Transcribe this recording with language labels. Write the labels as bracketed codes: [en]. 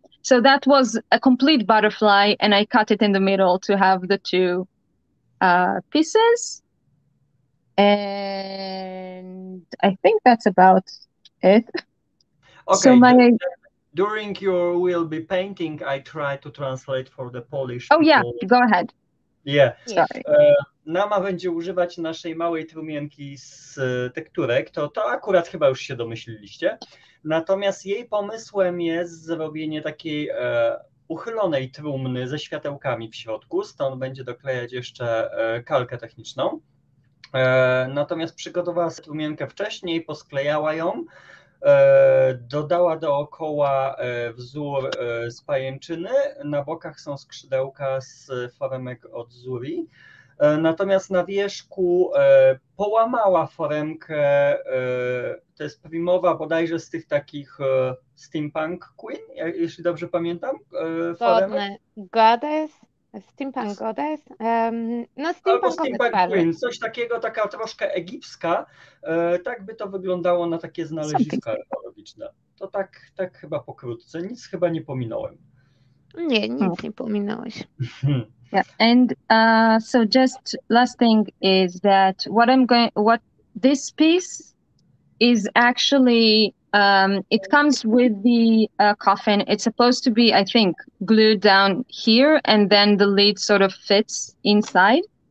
[en] So that was a complete butterfly, and I cut it in the middle to have the two pieces. And I think that's about it. Okay, so during your will be painting, I try to translate for the Polish. Oh, people. Yeah, go ahead. Yeah. Sorry. [pl] Nama będzie używać naszej małej trumienki z tekturek, to akurat chyba już się domyśliliście. Natomiast jej pomysłem jest zrobienie takiej uchylonej trumny ze światełkami w środku, stąd będzie doklejać jeszcze kalkę techniczną. Natomiast przygotowała sobie trumienkę wcześniej, posklejała ją, dodała dookoła wzór z pajęczyny, na bokach są skrzydełka z foremek od Zuri. Natomiast na wierzchu połamała foremkę, to jest primowa bodajże z tych takich steampunk queen, jeśli dobrze pamiętam, foremek. [en] Goddess, steampunk goddess, no [pl] Albo [en] steampunk goddess steampunk [pl] bardziej. queen, coś takiego, taka troszkę egipska, tak by to wyglądało na takie znaleziska archeologiczne. To tak, tak chyba pokrótce, nic chyba nie pominąłem. Nie, nic nie pominąłeś. [en] Yeah, and so just last thing is that what I'm going, what this piece is actually, it comes with the coffin. It's supposed to be, I think, glued down here, and then the lid sort of fits inside.